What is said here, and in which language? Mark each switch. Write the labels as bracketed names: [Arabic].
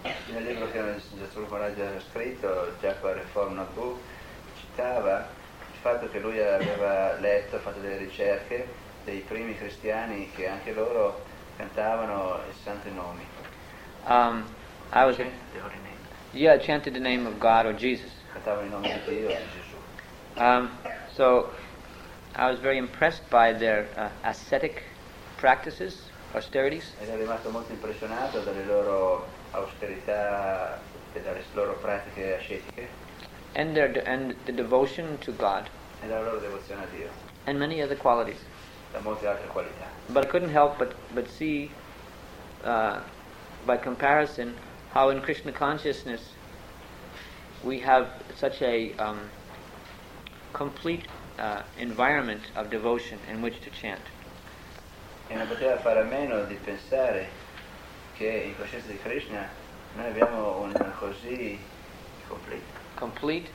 [Italian] Nel libro che il dottor Maharaj ha scritto, Japa Reform Notebook, citava il fatto che lui aveva letto, fatto delle ricerche dei primi cristiani che anche loro cantavano i santi nomi. [English] Chanted the name of God or Jesus. [Italian] Cantavano i nomi di Dio o di Gesù. [English] I was very impressed by their ascetic practices. austerities. [Italian] Ed è rimasto molto impressionato dalle loro austerità e dalle loro pratiche ascetiche. [English] And the devotion to God. [Italian] E la loro devozione a Dio. [English] And many other qualities. [Italian] E molte altre qualità. [English] But I couldn't help but see, by comparison, how in Krishna consciousness we have such a complete environment of devotion in which to chant. [Italian] E non poteva fare a meno di pensare che in coscienza di Krishna noi abbiamo una così complete